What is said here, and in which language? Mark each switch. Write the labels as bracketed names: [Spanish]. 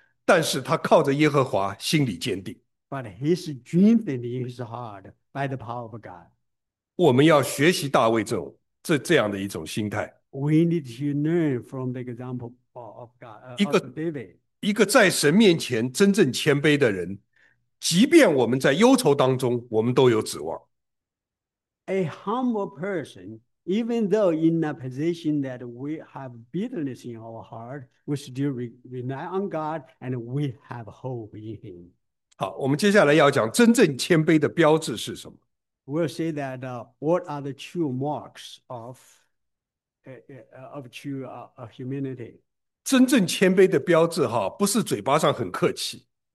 [Chinese] 但是他靠着耶和华，心里坚定。 [English] But he strengthened in his heart by the power of God. [Chinese] 我们要学习大卫这样的一种心态， [English] We need to learn from the example of God, of David. [Chinese] 一个在神面前真正谦卑的人，即便我们在忧愁当中，我们都有指望。 [English] A humble person, even though in a position that we have bitterness in our heart, we still rely on God and we have hope in Him. [Chinese] 好，我们接下来要讲真正谦卑的标志是什么？ [English] We'll say that what are the true marks of true humility? [Chinese] 真正谦卑的标志，哈，不是嘴巴上很客气。